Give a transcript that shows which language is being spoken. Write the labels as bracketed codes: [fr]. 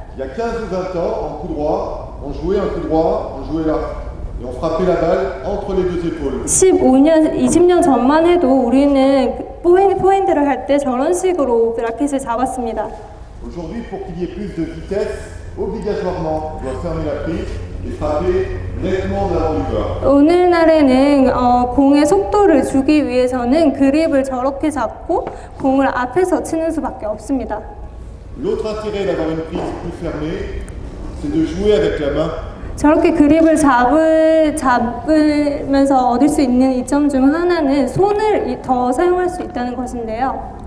[fr] Il y a 15 ou 20 ans, en coup droit, on jouait un coup droit, on jouait là. Et on frappait la balle entre les deux épaules. [ko] 15년, 20년 전만 해도 우리는 포핸드를 할 때 저런 식으로 라켓을 잡았습니다. [fr] Aujourd'hui, pour qu'il y ait plus de vitesse, obligatoirement, on doit fermer la prise et frapper nettement devant le corps. [ko] 오늘날에는 공의 속도를 주기 위해서는 그립을 저렇게 잡고 공을 앞에서 치는 수밖에 없습니다. [fr] L'autre intérêt d'avoir une prise plus fermée, c'est de jouer avec la main. [ko] 저렇게 그립을 잡으면서 얻을 수 있는 이점 중 하나는 손을 더 사용할 수 있다는 것인데요.